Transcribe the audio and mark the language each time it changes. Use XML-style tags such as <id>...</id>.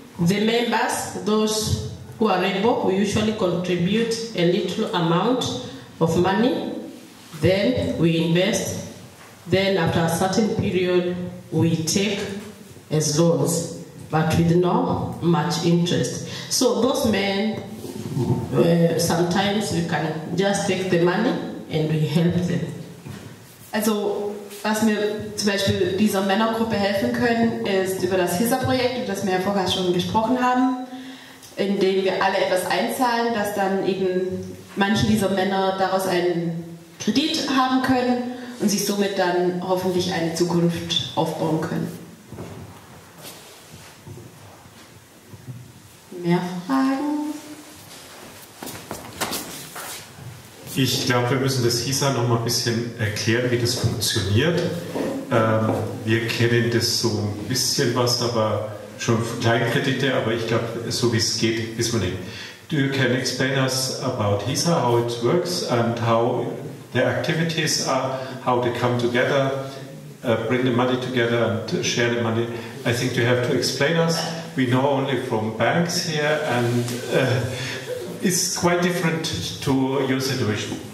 <en>The members, those who are able, we usually contribute a little amount of money, then we invest, then after a certain period, we take as loans, but with no much interest. So those men, sometimes we can just take the money and we help them.</en> <de>Also, was mir zum Beispiel dieser Männergruppe helfen können, ist über das HISA-Projekt, über das wir ja vorher schon gesprochen haben, in dem wir alle etwas einzahlen, dass dann eben manche dieser Männer daraus einen Kredit haben können und sich somit dann hoffentlich eine Zukunft aufbauen können. mehr Fragen? Ich glaube, wir müssen das Hisa noch mal ein bisschen erklären, wie das funktioniert. Wir kennen das so ein bisschen was, aber schon Kleinkredite, aber ich glaube, so wie es geht, wissen wir nicht.</de> <en>Do you can explain us about Hisa, how it works and how the activities are, how they come together, bring the money together and share the money. I think you have to explain us. We know only from banks here and it's quite different to your situation.</en>